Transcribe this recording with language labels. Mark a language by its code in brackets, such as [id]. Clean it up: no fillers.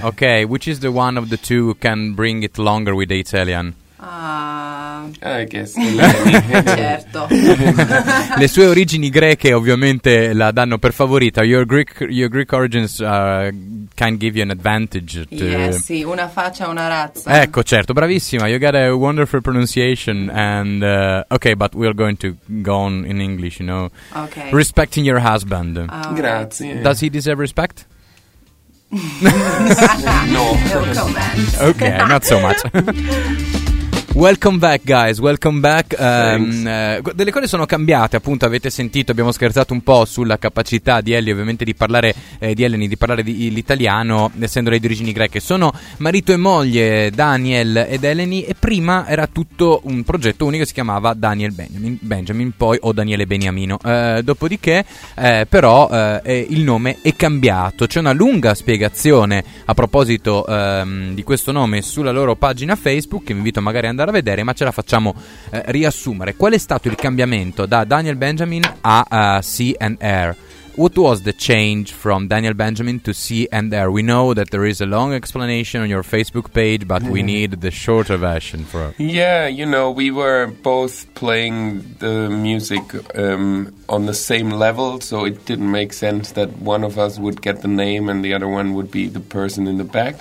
[en] Ok, which is the one of the two who can bring it longer with the Italian? I guess. [it] Certo. Le sue origini greche ovviamente la danno per favorita. [en] Your Greek origins can give you an advantage. [it] Sì, una faccia, una razza. Ecco, certo, bravissima. [en] You got a wonderful pronunciation and okay, but we're going to go on in English, you know. Okay. Respecting your husband. [it] Grazie. [en] Does he deserve respect? No. No comment. Okay, not so much. Welcome back guys, welcome back. [it] Delle cose sono cambiate, appunto avete sentito, abbiamo scherzato un po' sulla capacità di Ellie ovviamente di parlare di Eleni, di parlare l'italiano essendo lei di origini greche. Sono marito e moglie Daniel ed Eleni e prima era tutto un progetto unico, si chiamava Daniel Benjamin poi o Daniele Beniamino. Dopodiché però il nome è cambiato, c'è una lunga spiegazione a proposito di questo nome sulla loro pagina Facebook che vi invito magari a andare a vedere, ma ce la facciamo riassumere. Qual è stato il cambiamento da Daniel Benjamin a C&R? [en] What was the change from Daniel Benjamin to C&R? We know that there is a long explanation on your Facebook page, but we need the shorter version for it. Yeah, you know, we were both playing the music on the same level, so it didn't make sense that one of us would get the name and the other one would be the person in the back.